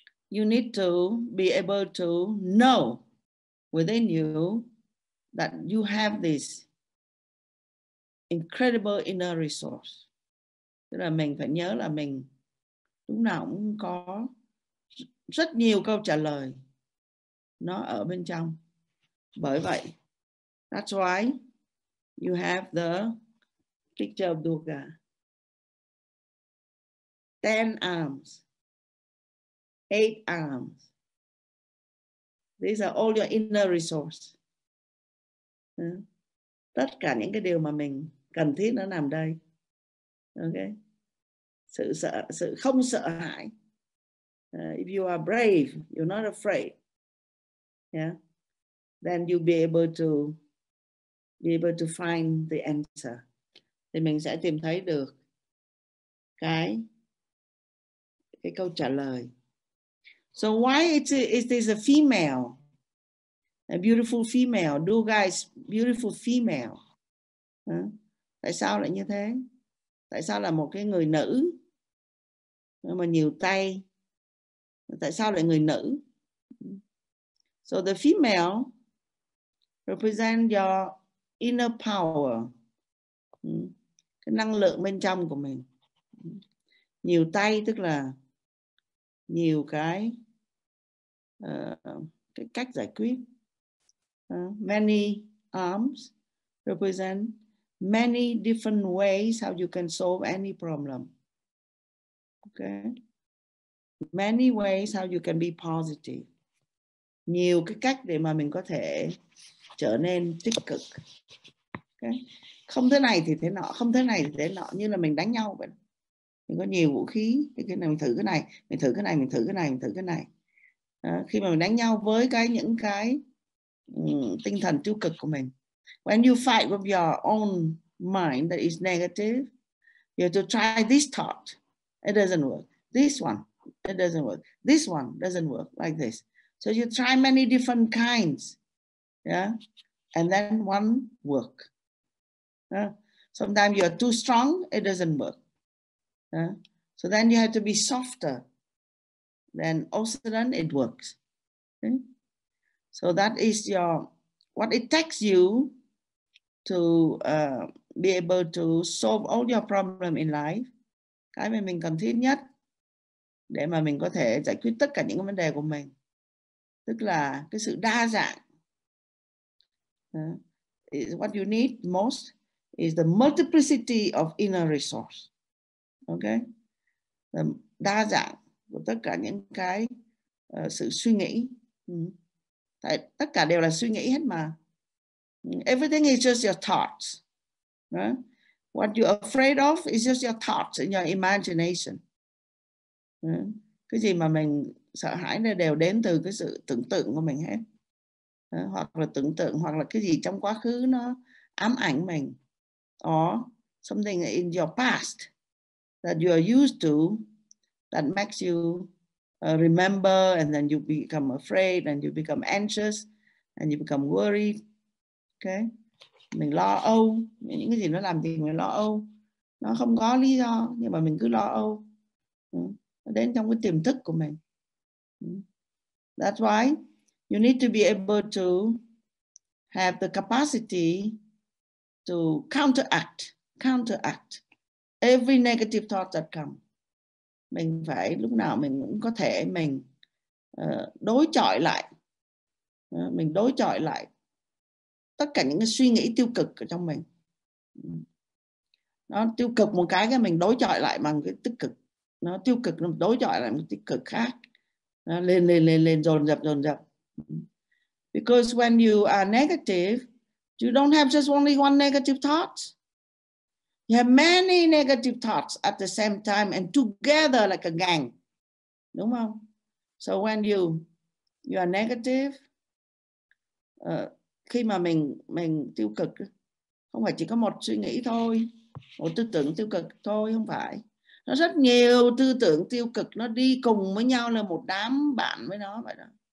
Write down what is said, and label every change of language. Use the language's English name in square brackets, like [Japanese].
[English] You need to be able to know within you that you have this incredible inner resource. [Vietnamese] Tức là mình phải nhớ là mình lúc nào cũng có rất nhiều câu trả lời nó ở bên trong. Bởi vậy, [English] that's why you have the picture of Durga. 10 arms, 8 arms. These are all your inner resource. [Vietnamese] Tất cả những cái điều mà mình cần thiết nó nằm đây. Okay. Sự không sợ hãi. [English] If you are brave, you're not afraid. Then you'll be able to find the answer. [Vietnamese] Thì mình sẽ tìm thấy được cái câu trả lời. [English] So why is this a female? A beautiful female, Durga is beautiful female. [Vietnamese] Tại sao lại như thế? Tại sao là một cái người nữ mà nhiều tay? Tại sao lại người nữ? [English] So the female represent your inner power. [Vietnamese] Cái năng lượng bên trong của mình. Nhiều tay tức là nhiều cái cách giải quyết. [English] Many arms represent many different ways how you can solve any problem. Okay. Many ways how you can be positive. [Vietnamese] Nhiều cái cách để mà mình có thể trở nên tích cực. Okay. Không thế này thì thế nọ, không thế này thì thế nọ, như là mình đánh nhau vậy. Mình có nhiều vũ khí, cái này mình thử cái này, mình thử cái này, mình thử cái này, mình thử cái này. À, khi mà mình đánh nhau với cái những cái tinh thần tiêu cực của mình. [English] When you fight with your own mind that is negative, you have to try this thought. It doesn't work. This one, it doesn't work. This one doesn't work like this. So you try many different kinds. Yeah? And then one work. Yeah? Sometimes you are too strong, it doesn't work. Yeah. So then you have to be softer. Then all of a sudden it works. Okay. So that is your what it takes you to be able to solve all your problems in life. [Vietnamese] Cái mà mình cần thiết nhất để mà mình có thể giải quyết tất cả những vấn đề của mình. Tức là cái sự đa dạng. Yeah. [English] What you need most is the multiplicity of inner resource. [Vietnamese] Okay, đa dạng của tất cả những cái sự suy nghĩ. Tại tất cả đều là suy nghĩ hết mà. [English] Everything is just your thoughts. What you're afraid of is just your thoughts and your imagination. [Vietnamese] Cái gì mà mình sợ hãi đều đến từ cái sự tưởng tượng của mình hết. Hoặc là tưởng tượng, hoặc là cái gì trong quá khứ nó ám ảnh mình. [English] Or something in your past that you are used to, that makes you remember, and then you become afraid, and you become anxious, and you become worried. [Vietnamese] Okay, mình lo âu, những cái gì nó làm thì mình lo âu, nó không có lý do nhưng mà mình cứ lo âu, nó đến trong cái tiềm thức của mình. [English] That's why you need to be able to have the capacity to counteract. Every negative thought that come, [Vietnamese] mình phải lúc nào mình cũng có thể mình đối chọi lại, mình đối chọi lại tất cả những cái suy nghĩ tiêu cực ở trong mình. Nó tiêu cực một cái mình đối chọi lại bằng cái tích cực. Nó tiêu cực nó đối chọi lại một tích cực khác. Nó lên lên lên lên dồn dập. [English] Because when you are negative, you don't have just only one negative thought. You have many negative thoughts at the same time and together like a gang. [Vietnamese] Đúng không? [English] So when you are negative, [Vietnamese] khi mà mình tiêu cực, không phải chỉ có một suy nghĩ thôi, một tư tưởng tiêu cực thôi, không phải. Nó rất nhiều tư tưởng tiêu cực, nó đi cùng với nhau là một đám bạn với nó vậy đó.